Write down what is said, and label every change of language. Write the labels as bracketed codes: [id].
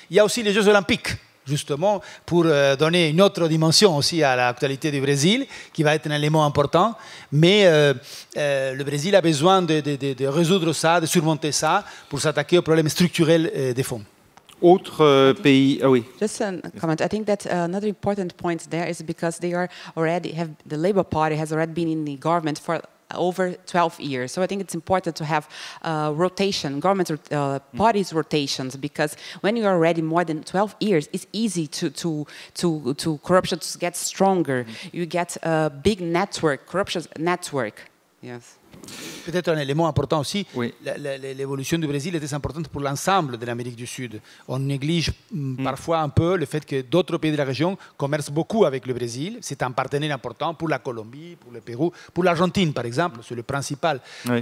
[fr] Il y a aussi les Jeux Olympiques, justement, pour donner une autre dimension aussi à l'actualité du Brésil, qui va être un élément important. Mais le Brésil a besoin de résoudre ça, de surmonter ça, pour s'attaquer aux problèmes structurels des fonds. Autre pays, ah oui. [en] Just a comment. I think that another important point there is because they are already have the Labour Party has already been in the government for over 12 years. So I think it's important to have rotation, government parties rotations, because when you are already more than 12 years, it's easy to corruption to get stronger. You get a big network, corruption network. Yes. [fr] Peut-être un élément important aussi, l'évolution du Brésil était importante pour l'ensemble de l'Amérique du Sud. On néglige parfois un peu le fait que d'autres pays de la région commercent beaucoup avec le Brésil. C'est un partenaire important pour la Colombie, pour le Pérou, pour l'Argentine, par exemple, c'est le principal. Oui.